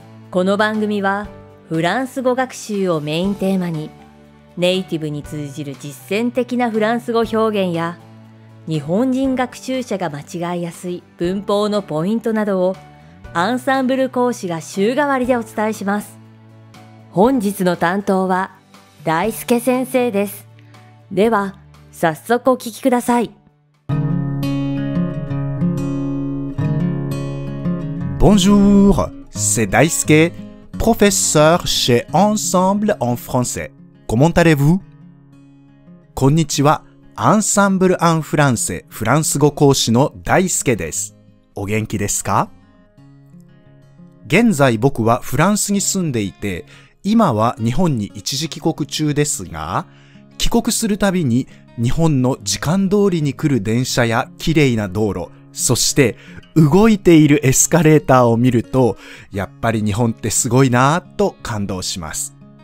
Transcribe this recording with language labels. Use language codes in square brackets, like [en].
[ja] この番組はフランス語学習をメインテーマに、ネイティブに通じる実践的なフランス語表現や日本人学習者が間違いやすい文法のポイントなどをアンサンブル講師が週替わりでお伝えします。本日の担当は大輔先生です。では早速お聞きください。 [fr] Bonjour, c'est Daisuke, professeur chez Ensemble en français. Comment allez-vous? [ja] こんにちは、アンサンブルアンフランセフランス語講師の大輔です。お元気ですか？現在僕はフランスに住んでいて、今は日本に一時帰国中ですが、帰国するたびに日本の時間通りに来る電車や綺麗な道路、そして動いているエスカレーターを見ると、やっぱり日本ってすごいなぁと感動します。